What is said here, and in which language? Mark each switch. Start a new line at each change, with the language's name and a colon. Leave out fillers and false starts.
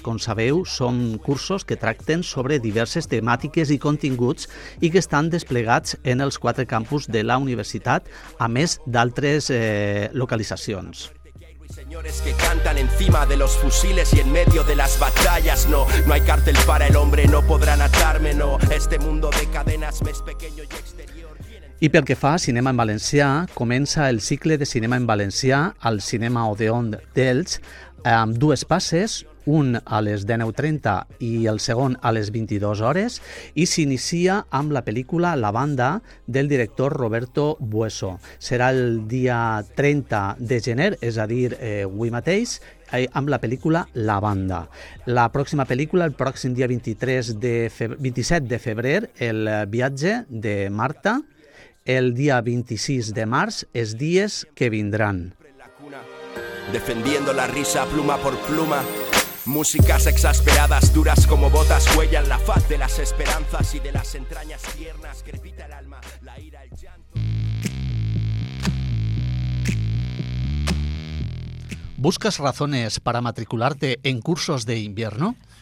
Catalan: Com sabeu, són cursos que tracten sobre diverses temàtiques i continguts i que estan desplegats en els quatre campus de la universitat, a més d'altres localitzacions.
Spanish: Señores que cantan encima de los fusiles y en medio de las batallas, no, no hay cárcel para el hombre, no podrán atarme, no, este mundo de cadenas me es pequeño y exterior.
Catalan: I pel que fa a cinema en valencià, comença el cicle de cinema en valencià al Cinema Odeón d'Elx amb dues passes, un a les 19:30 i el segon a les 22 hores, i s'inicia amb la pel·lícula La Banda, del director Roberto Bueso. Serà el dia 30 de gener, és a dir, avui mateix, amb la pel·lícula La Banda. La pròxima pel·lícula, el pròxim dia 27 de febrer, El viatge de Marta. El dia 26 de març, Els dies que vindran.
Spanish: Defendiendo la risa pluma por pluma. Músicas exasperadas, duras como botas, huellan la faz de las esperanzas y de las entrañas tiernas, crepita el alma, la ira, el llanto. ¿Buscas razones para matricularte en cursos de invierno?